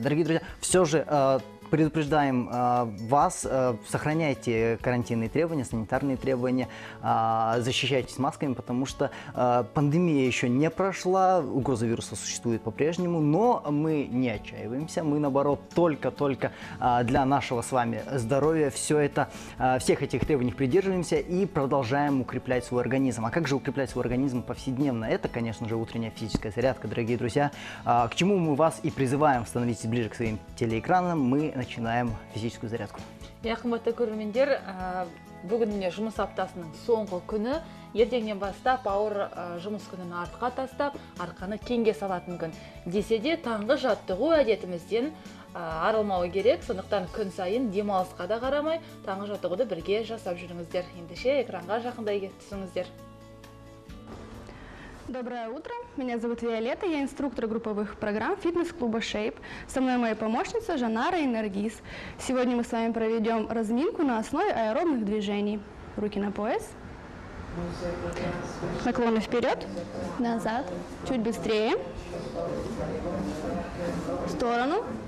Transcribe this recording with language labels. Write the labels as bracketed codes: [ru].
[ru] Дорогие друзья, все же предупреждаем вас, сохраняйте карантинные требования, санитарные требования, защищайтесь масками, потому что пандемия еще не прошла, угроза вируса существует по-прежнему, но мы не отчаиваемся, мы наоборот только-только для нашего с вами здоровья все это, всех этих требований придерживаемся и продолжаем укреплять свой организм. А как же укреплять свой организм повседневно? Это, конечно же, утренняя физическая зарядка, дорогие друзья, к чему мы вас и призываем, становитесь ближе к своим телеэкранам, мы начинаем физическую зарядку. [kk] Я қымбатты көрермендер, бүгін міне жұмыс аптасының соңғы күні, ертеңнен бастап ауыр жұмыс күнін артқа тастап, арқаны кеңге салатын күн. Десе де таңғы жаттығу әдетімізден арылмауы керек, сондықтан күн сайын демалысқа да қарамай, таңғы жаттығуды бірге жасап жүріңіздер. Ендеше экранға жақындай кетсіңіздер. [ru] Доброе утро, меня зовут Виолетта, я инструктор групповых программ фитнес-клуба Shape. Со мной моя помощница Жанара и Наргиз. Сегодня мы с вами проведем разминку на основе аэробных движений. Руки на пояс. Наклоны вперед, назад, чуть быстрее. В сторону.